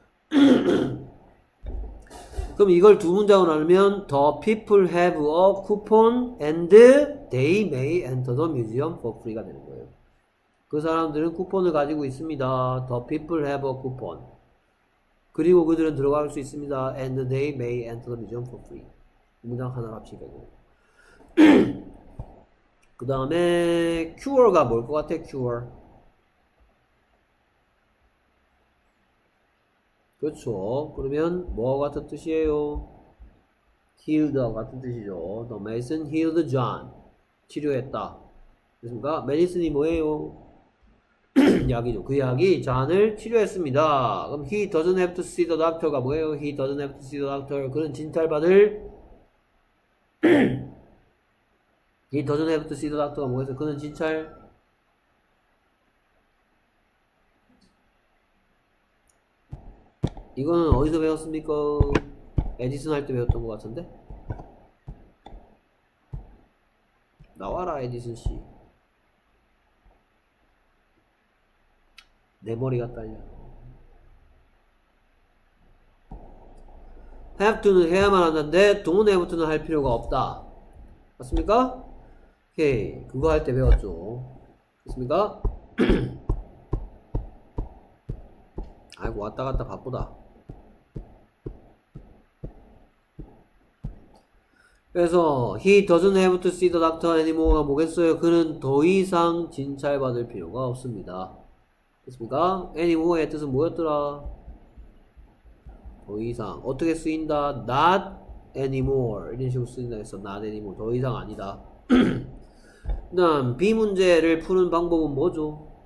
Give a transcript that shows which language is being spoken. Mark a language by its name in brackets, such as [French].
[Korean] 그럼 이걸 두 문장으로 나누면 [English] The people have a coupon and they may enter the museum for free [Korean] 가 되는 거예요. 그 사람들은 쿠폰을 가지고 있습니다. [English] The people have a coupon. [Korean] 그리고 그들은 들어갈 수 있습니다. [English] And they may enter the museum for free. [Korean] 문장 하나 합치되고 그 다음에 cure가 뭘 것 같아? cure 그렇죠. 그러면 뭐 같은 뜻이에요? healed 같은 뜻이죠. [English] The medicine healed John. [Korean] 치료했다. 그렇습니까? medicine이 뭐예요? 약이죠. 그 약이 잔을 치료했습니다. 그럼 [English] he doesn't have to see the doctor [Korean] 가 뭐예요? [English] He doesn't have to see the doctor. [Korean] 그는 진탈받을 [English] he doesn't have to see the doctor가 뭐예요? [Korean] 그는 진탈 이거는 어디서 배웠습니까? 에디슨 할 때 배웠던 것 같은데? 나와라 에디슨 씨. 내 머리가 딸려. have to는 해야만 하는데 don't have to는 할 필요가 없다. 맞습니까? 오케이. 그거 할 때 배웠죠. 됐습니까? 아이고 왔다 갔다 바쁘다. 그래서 [English] he doesn't have to see the doctor anymore [Korean] 가 뭐겠어요? 그는 더 이상 진찰받을 필요가 없습니다. 됐습니까? anymore의 뜻은 뭐였더라? 더 이상 어떻게 쓰인다? not anymore 이런 식으로 쓰인다 했어. not anymore 더 이상 아니다. 그 다음 B 문제를 푸는 방법은 뭐죠?